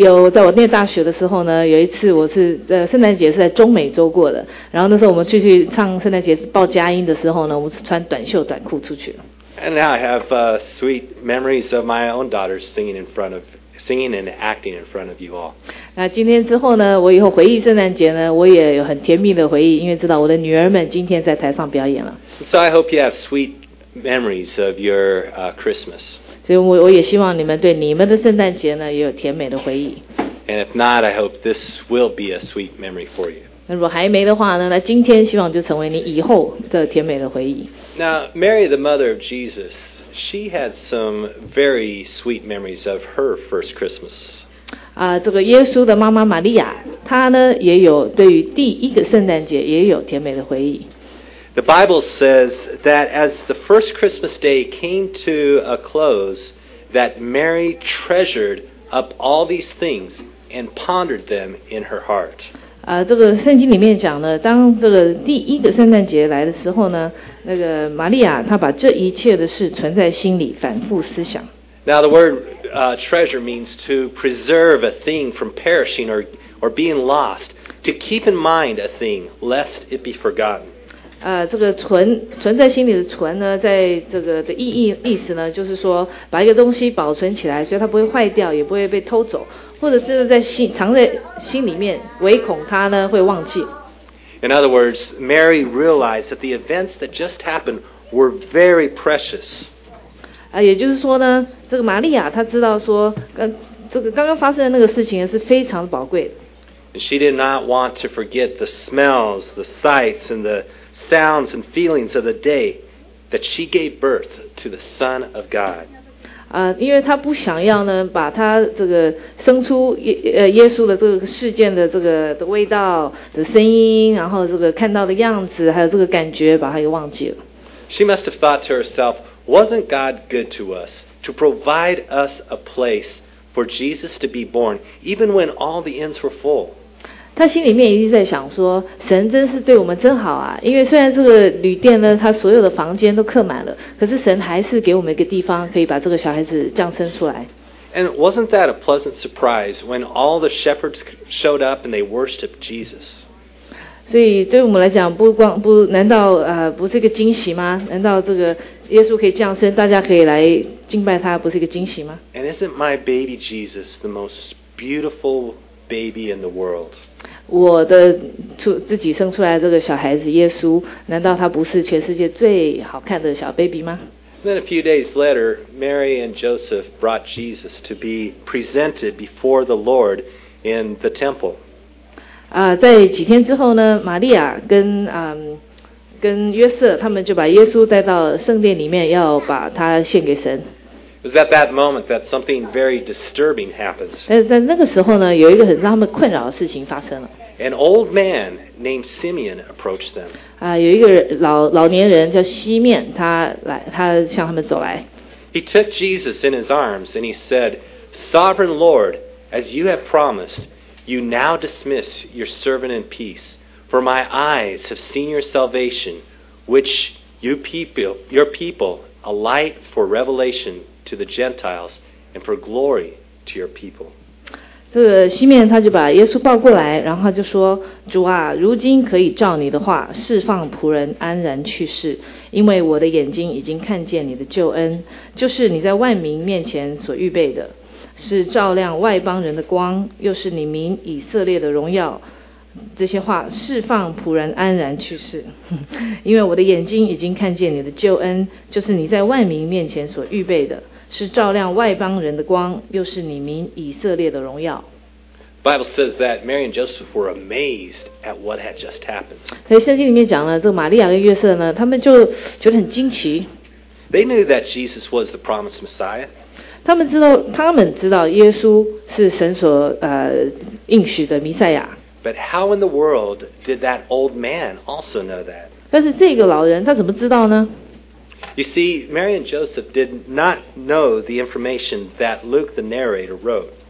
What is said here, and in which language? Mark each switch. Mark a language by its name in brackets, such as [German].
[Chinese] 在我念大学的时候呢，有一次我是圣诞节是在中美洲过的。然后那时候我们去唱圣诞节报佳音的时候呢，我们是穿短袖短裤出去。 [English] And now I have sweet memories of my own daughters singing and acting in front of you all. [Chinese] 那今天之后呢，我以后回忆圣诞节呢，我也有很甜蜜的回忆，因为知道我的女儿们今天在台上表演了。 [English] So I hope you have sweet memories of your Christmas. [Chinese] 所以我也希望你们对你们的圣诞节呢，也有甜美的回忆。 [English] And if not, I hope this will be a sweet memory for you. [Chinese] 那如果还没的话呢，那今天希望就成为你以后的甜美的回忆。 [English] Now, Mary, the mother of Jesus. She had some very sweet memories of her first Christmas. [Chinese] 这个耶稣的妈妈玛利亚，她呢也有对于第一个圣诞节也有甜美的回忆。 [English] The Bible says that as the first Christmas day came to a close, that Mary treasured up all these things and pondered them in her heart. [Chinese] 这个圣经里面讲呢，当这个第一个圣诞节来的时候呢。那个玛利亚，她把这一切的事存在心里，反复思想。 [English] Now the word treasure means to preserve a thing from perishing or being lost, to keep in mind a thing lest it be forgotten. [Chinese] 这个存在心里的存呢，在这个的意思呢，就是说把一个东西保存起来，所以它不会坏掉，也不会被偷走，或者是在心藏在心里面，唯恐它呢会忘记。 [English] In other words, Mary realized that the events that just happened were very precious. [Chinese] 也就是说呢，这个玛利亚她知道说，这个刚刚发生的那个事情是非常宝贵的。 [English] And she did not want to forget the smells, the sights, and the sounds and feelings of the day that she gave birth to the Son of God. [Chinese] 因为她不想要呢，把她这个生出耶稣的这个事件的这个的味道的声音，然后这个看到的样子，还有这个感觉，把她给忘记了。 [English] She must have thought to herself, "Wasn't God good to us to provide us a place for Jesus to be born, even when all the inns were full?" [Chinese] 她心里面一定在想说，神真是对我们真好啊！因为虽然这个旅店呢，它所有的房间都客满了，可是神还是给我们一个地方，可以把这个小孩子降生出来。 [English] And wasn't that a pleasant surprise when all the shepherds showed up and they worshipped Jesus? [Chinese] 所以对我们来讲，不是一个惊喜吗？难道这个耶稣可以降生，大家可以来敬拜他，不是一个惊喜吗 [English] ？And isn't my baby Jesus the most beautiful baby in the world? [Chinese] 我的自己生出来这个小孩子耶稣，难道他不是全世界最好看的小 baby 吗？ [English] Then a few days later, Mary and Joseph brought Jesus to be presented before the Lord in the temple. [Chinese] 在几天之后呢，玛利亚跟跟约瑟他们就把耶稣带到圣殿里面，要把他献给神。 [English] It was at that moment that something very disturbing happens. [Chinese] 但是在那个时候呢，有一个很让他们困扰的事情发生了。 [English] An old man named Simeon approached them. [Chinese] 有一个老年人叫西面，他向他们走来。 [English] He took Jesus in his arms and he said, "Sovereign Lord, as you have promised, you now dismiss your servant in peace. For my eyes have seen your salvation, which your people, a light for revelation to the Gentiles and for glory to your people." [Chinese] 这个西面他就把耶稣抱过来，然后就说：“主啊，如今可以照你的话释放仆人安然去世，因为我的眼睛已经看见你的救恩，就是你在万民面前所预备的，是照亮外邦人的光，又是你民以色列的荣耀。” 这些话释放仆人安然去世，因为我的眼睛已经看见你的救恩，就是你在万民面前所预备的，是照亮外邦人的光，又是你民以色列的荣耀。 [English] Bible says that Mary and Joseph were amazed at what had just happened. [Chinese] 所以圣经里面讲了，这个玛利亚跟约瑟呢，他们就觉得很惊奇。 [English] They knew that Jesus was the promised Messiah. [Chinese] 他们知道耶稣是神所应许的弥赛亚。 [English] But how in the world did that old man also know that? [Chinese] 但是这个老人他怎么知道呢？ [English] You see, Mary and Joseph did not know the information that Luke the narrator wrote.